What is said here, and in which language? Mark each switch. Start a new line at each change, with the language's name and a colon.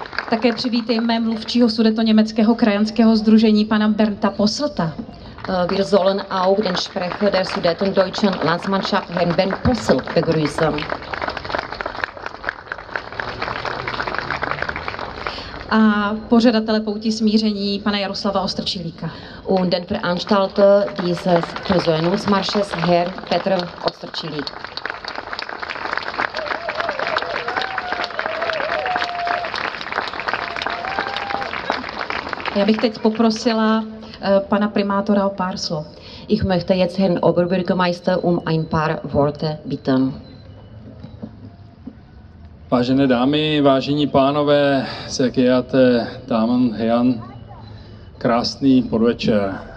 Czech: Také přivítejme mluvčího sudetoněmeckého krajanského sdružení pana Bernda Posselta.
German: Wir sollen auch den Sprecher der sudetendeutschen Landsmannschaft Herrn Bernd Possel begrüßen.
Czech: A pořadatele pouti smíření pana Jaroslava Ostrčilíka.
German: Und den Veranstalter dieses Versöhnungsmarsches Herr Petr Ostrčilík.
Czech: Já bych teď poprosila pana primátora o pár slov.
German: Ich möchte jetzt Herrn Oberbürgermeister ein paar Worte bitten.
Czech: Vážené dámy, vážení pánové,
German: sehr geehrte Damen und Herren,
Czech: krásný podvečer.